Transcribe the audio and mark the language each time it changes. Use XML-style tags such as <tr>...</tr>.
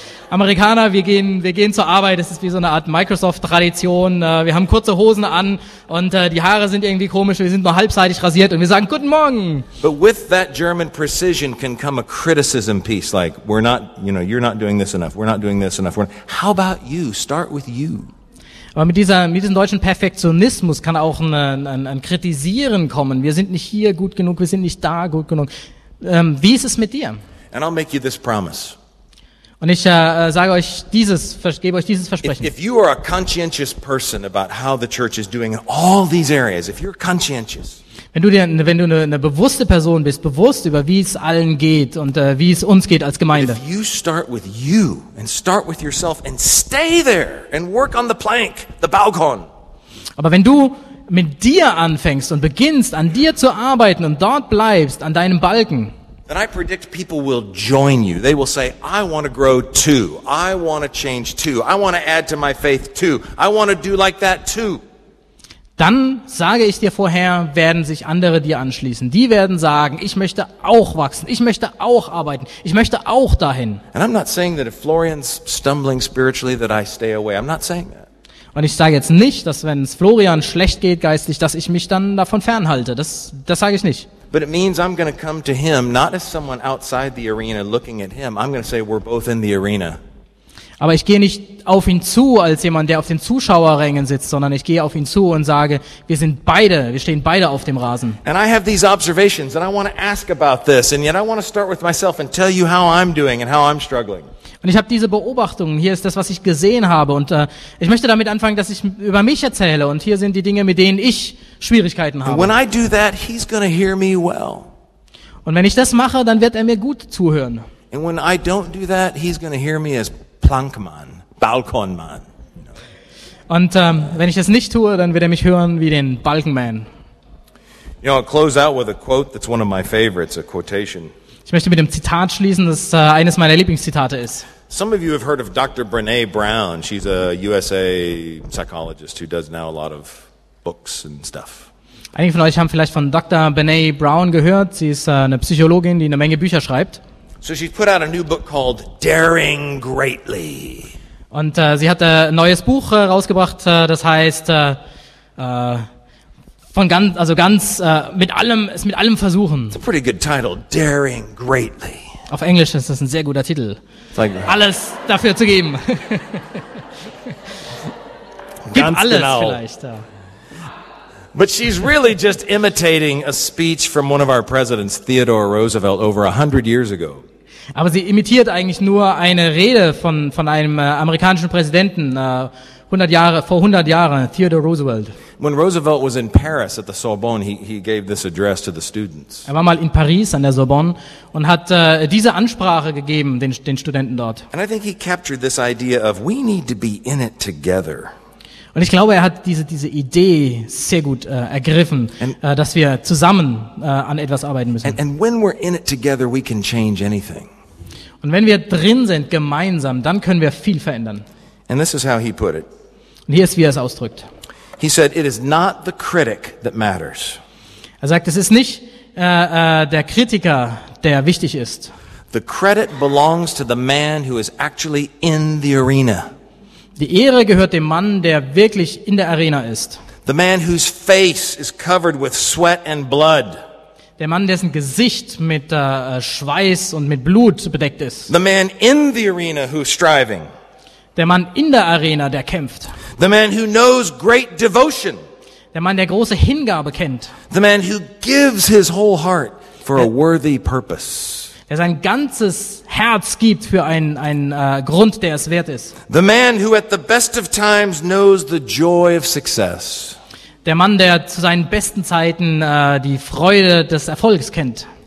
<de>Amerikaner, wir gehen zur Arbeit, es ist wie so eine Art Microsoft-Tradition, wir haben kurze Hosen an und die Haare sind irgendwie komisch, wir sind nur halbseitig rasiert und wir sagen Guten Morgen.</de> <en>But with that German precision can come a criticism piece like, we're not, you know, you're not doing this enough, we're not doing this enough. How about you? Start with you.</en> <de>Aber mit diesem deutschen Perfektionismus kann auch ein Kritisieren kommen. Wir sind nicht hier gut genug, wir sind nicht da gut genug. Wie ist es mit dir?</de> <en>And I'll make you this promise.</en> <de>Und ich sage euch dieses, gebe euch dieses Versprechen.</de> <en>If you are a conscientious person about how the church is doing in all these areas, if you're conscientious.</en> <de>Wenn du eine bewusste Person bist, bewusst über wie es allen geht und wie es uns geht als Gemeinde.</de> <en>If you start with you and start with yourself and stay there and work on the plank, the Balkon.</en> <de>Aber wenn du mit dir anfängst und beginnst an dir zu arbeiten und dort bleibst an deinem Balken.</de> <en>Then I predict people will join you. They will say, I want to grow too. I want to change too. I want to add to my faith too. I want to do like that too.</en> <de>Dann sage ich dir vorher, werden sich andere dir anschließen. Die werden sagen, ich möchte auch wachsen. Ich möchte auch arbeiten. Ich möchte auch dahin.</de> <en>And I'm not saying that if Florian's stumbling spiritually that I stay away. I'm not saying that.</en> <de>Und ich sage jetzt nicht, dass wenn es Florian schlecht geht geistlich, dass ich mich dann davon fernhalte. Das sage ich nicht.</de> <en>But it means I'm going to come to him, not as someone outside the arena looking at him. I'm going to say we're both in the arena.</en> <de>Aber ich gehe nicht auf ihn zu als jemand, der auf den Zuschauerrängen sitzt, sondern ich gehe auf ihn zu und sage, wir stehen beide auf dem Rasen.</de> <en>And I have these observations and I want to ask about this and yet I want to start with myself and tell you how I'm doing and how I'm struggling.</en> <de>Und ich habe diese Beobachtungen, hier ist das, was ich gesehen habe und ich möchte damit anfangen, dass ich über mich erzähle und hier sind die Dinge, mit denen ich Schwierigkeiten habe.</de> <en>When I do that, he's gonna hear me well.</en> <de>Und wenn ich das mache, dann wird er mir gut zuhören.</de> <en>And when I don't do that, he's gonna hear me as Plankmann, Balkonmann.</en> <de>Und wenn ich das nicht tue, dann wird er mich hören wie den Balkenmann.</de> <en>You know, I'll close out with a quote that's one of my favorites, a quotation.</en> <de>Ich möchte mit dem Zitat schließen, das eines meiner Lieblingszitate ist.</de> <en>Some of you have heard of Dr. Brené Brown. She's a USA psychologist who does now a lot of books and stuff.</en> <de>Einige von euch haben vielleicht von Dr. Brené Brown gehört. Sie ist eine Psychologin, die eine Menge Bücher schreibt.</de> <en>So she's put out a new book called Daring Greatly.</en> <de>Und sie hat ein neues Buch rausgebracht, das heißt mit allem versuchen.</de> <en>It's a pretty good title, Daring Greatly.</en> <de>Auf Englisch ist das ein sehr guter Titel.</de> <en>Like,</en> <de>alles dafür zu geben. Gib alles genau. Vielleicht. Ja.</de> <en>But she's really just imitating a speech from one of our presidents, Theodore Roosevelt, over 100 years ago.</en> <de>Aber sie imitiert eigentlich nur eine Rede von einem amerikanischen Präsidenten, 100 Jahre, vor 100 Jahren, Theodore Roosevelt.</de> <en>When Roosevelt was in Paris at the Sorbonne, he gave this address to the students.</en> <de>Er war mal in Paris an der Sorbonne und hat diese Ansprache gegeben den Studenten dort.</de> <en>And I think he captured this idea of we need to be in it together.</en> <de>Und ich glaube, er hat diese Idee sehr gut ergriffen, dass wir zusammen an etwas arbeiten müssen.</de> <en>And when we're in it together, we can change anything.</en> <de>Und wenn wir drin sind gemeinsam, dann können wir viel verändern.</de> <en>And this is how he put it.</en> <de>Und hier ist, wie er es ausdrückt.</de> <en>He said, it is not the critic that matters.</en> <de>Er sagt, es ist nicht der Kritiker, der wichtig ist.</de> <en>The credit belongs to the man who is actually in the arena.</en> <de>Die Ehre gehört dem Mann, der wirklich in der Arena ist.</de> <en>The man whose face is covered with sweat and blood.</en> <de>Der Mann, dessen Gesicht mit Schweiß und mit Blut bedeckt ist.</de> <en>The man in the arena who's striving.</en> <de>Der Mann in der Arena, der kämpft.</de> <en>The man who knows great devotion.</en> <de>Der Mann, der große Hingabe kennt.</de> <en>The man who gives his whole heart for a worthy purpose.</en> <de>Der sein ganzes Herz gibt für einen Grund, der es wert ist.</de> <en>The man who at the best of times knows the joy of success.</en> <de>Der Mann, der zu seinen besten Zeiten die Freude des Erfolgs kennt.</de>